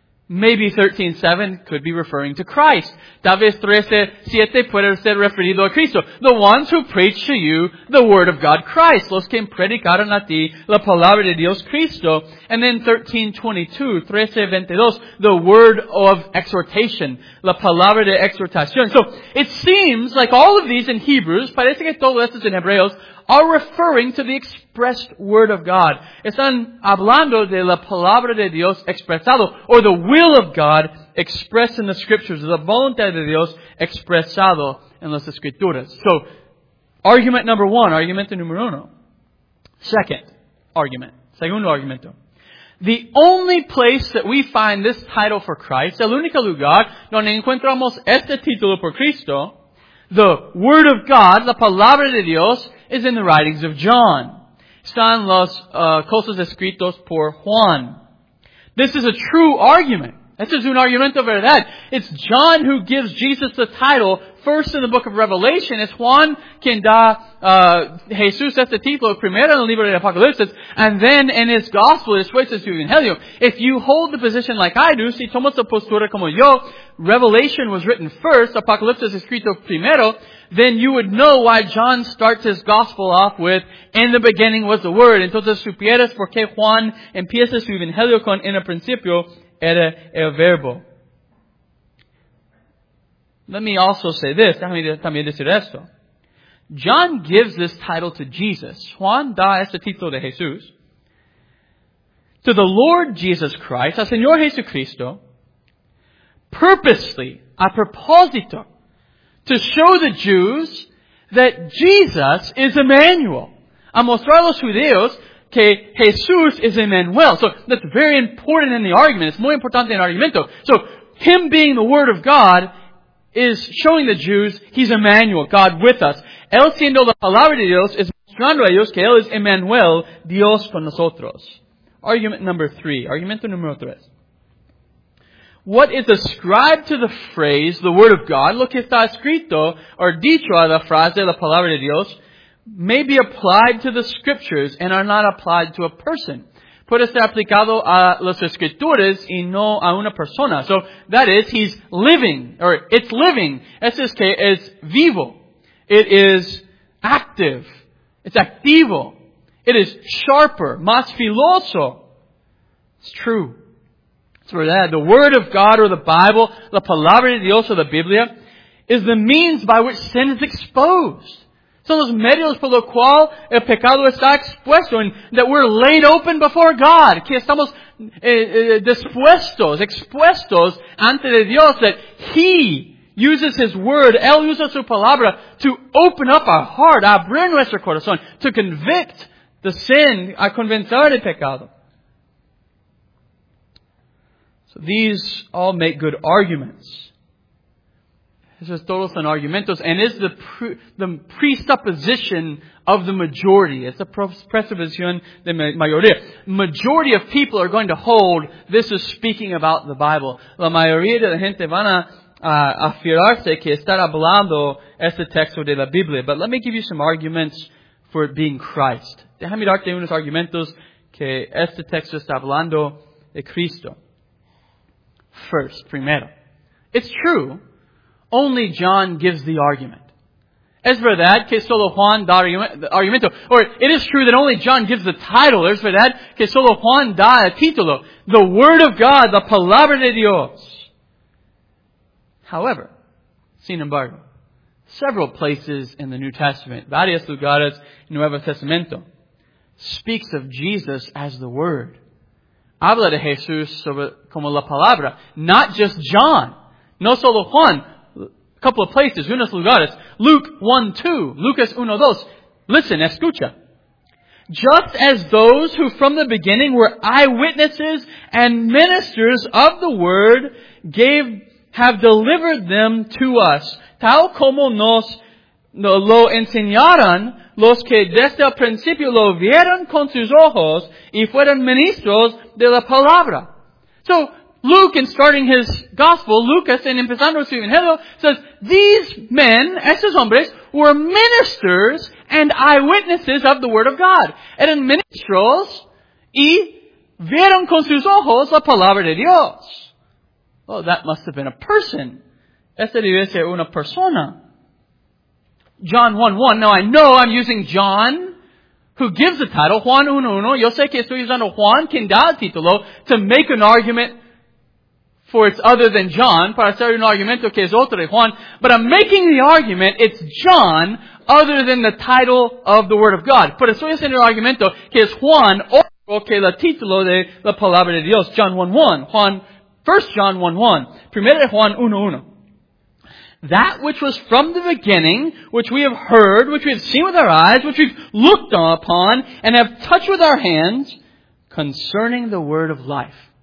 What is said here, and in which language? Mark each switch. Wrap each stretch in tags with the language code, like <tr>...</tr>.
<en>Maybe 13:7 could be referring to Christ.</en> <es>David 13:7 puede ser referido a Cristo.</es> <en>The ones who preach to you the word of God Christ.</en> <es>Los que predicaron a ti la palabra de Dios Cristo.</es> <en>And then 13:22, the word of exhortation.</en> <es>La palabra de exhortación.</es> <en>So, it seems like all of these in Hebrews,</en> <es>parece que todos estos en Hebreos,</es> <en>are referring to the expressed word of God.</en> <es>Están hablando de la palabra de Dios expresado,</es> <en>or the will of God expressed in the scriptures,</en> <es>la voluntad de Dios expresado en las escrituras.</es> <en>So, argument number one,</en> <es>argumento número uno.</es> <en>Second argument,</en> <es>segundo argumento.</es> <en>The only place that we find this title for Christ,</en> <es>el único lugar donde encontramos este título por Cristo,</es> <en>the word of God,</en> <es>la palabra de Dios,</es> <en>is in the writings of John.</en> <es>Están los cosas escritos por Juan.</es> <en>This is a true argument. This is</en> <es>un argumento verdad.</es> <en>It's John who gives Jesus the title first in the book of Revelation. It's</en> <es>Juan quien da Jesús este título primero en el libro de Apocalipsis,</es> <en>and then in his gospel,</en> <es>después en su evangelio.</es> <en>If you hold the position like I do,</en> <es>si tomas la postura como yo,</es> <en>Revelation was written first,</en> <es>Apocalipsis escrito primero,</es> <en>then you would know why John starts his gospel off with, in the beginning was the Word.</en> <es>Entonces supieras por qué Juan empieza su evangelio con, en el principio era el verbo.</es> <en>Let me also say this,</en> <es>déjame también decir esto.</es> <en>John gives this title to Jesus.</en> <es>Juan da este título de Jesús.</es> <en>To the Lord Jesus Christ,</en> <es>al Señor Jesucristo,</es> <en>purposely,</en> <es>a propósito,</es> <en>to show the Jews that Jesus is Emmanuel.</en> <es>A mostrar a los judíos que Jesús is Emmanuel.</es> <en>So that's very important in the argument. It's</en> <es>muy importante en el argumento.</es> <en>So him being the Word of God is showing the Jews he's Emmanuel, God with us.</en> <es>Él siendo la palabra de Dios es mostrando a ellos que él es Emmanuel, Dios con nosotros.</es> <en>Argument number three.</en> <es>Argumento número tres.</es> <en>What is ascribed to the phrase, the word of God,</en> <es>lo que está escrito,</es> <en>or</en> <es>dicho a la frase, la palabra de Dios,</es> <en>may be applied to the scriptures and are not applied to a person.</en> <es>Puede ser aplicado a las escrituras y no a una persona.</es> <en>So, that is, he's living, or it's living.</en> <es>Eso es que es vivo.</es> <en>It is active. It's</en> <es>activo.</es> <en>It is sharper,</en> <es>más filoso.</es> <en>It's true. For that, the Word of God or the Bible,</en> <es>la palabra de Dios o la Biblia,</es> <en>is the means by which sin is exposed.</en> <es>Son los medios por lo cual el pecado está expuesto,</es> <en>and that we're laid open before God.</en> <es>Que estamos dispuestos, expuestos ante de Dios,</es> <en>that He uses His Word,</en> <es>Él usa su palabra</es> <en>to open up our heart,</en> <es>abrir nuestro corazón,</es> <en>to convict the sin,</en> <es>a convencer el pecado.</es> <en>These all make good arguments. This is</en> <es>todos son argumentos,</es> <en>and is the presupposition of the majority. It's a</en> <es>presupposición de mayoría.</es> <en>Majority of people are going to hold this is speaking about the Bible.</en> <es>La mayoría de la gente van a afirmarse que está hablando este texto de la Biblia.</es> <en>But let me give you some arguments for it being Christ.</en> <es>Déjame darte unos argumentos que este texto está hablando de Cristo.</es> <en>First,</en> <es>primero.</es> <en>It's true, only John gives the argument.</en> <es>Es verdad que solo Juan da argumento.</es> <en>Or, it is true that only John gives the title.</en> <es>Es verdad que solo Juan da el título.</es> <en>The Word of God,</en> <es>la Palabra de Dios.</es> <en>However,</en> <es>sin embargo,</es> <en>several places in the New Testament,</en> <es>varios lugares en Nuevo Testamento,</es> <en>speaks of Jesus as the Word.</en> <es>Habla de Jesús sobre, como la palabra.</es> <en>Not just John.</en> <es>No solo Juan.</es> <en>A couple of places.</en> <es>Unos lugares.</es> <en>Luke 1:2.</en> <es>Lucas 1:2.</es> <en>Listen,</en> <es>escucha.</es> <en>Just as those who from the beginning were eyewitnesses and ministers of the word have delivered them to us.</en> <es>Tal como nos lo enseñaron los que desde el principio lo vieron con sus ojos y fueron ministros de la palabra.</es> <en>So, Luke, in starting his gospel,</en> <es>Lucas, en empezando su evangelio,</es> <en>says, these men,</en> <es>esos hombres,</es> <en>were ministers and eyewitnesses of the word of God.</en> <es>Eran ministros y vieron con sus ojos la palabra de Dios.</es> <en>Well, that must have been a person.</en> <es>Este debe ser una persona.</es> <en>John 1:1. Now I know I'm using John, who gives the title,</en> <es>Juan 1:1. Yo sé que estoy usando Juan, quien da el título,</es> <en>to make an argument for it's other than John,</en> <es>para hacer un argumento que es otro de Juan.</es> <en>But I'm making the argument it's John, other than the title of the Word of God.</en> <es>Pero estoy haciendo el argumento que es Juan, otro que el título de la palabra de Dios.</es> <en>John 1:1. Juan, 1 John 1:1.</en> <es>Primero Juan 1:1.</es> <en>That which was from the beginning, which we have heard, which we have seen with our eyes, which we've looked upon, and have touched with our hands, concerning the word of life.</en>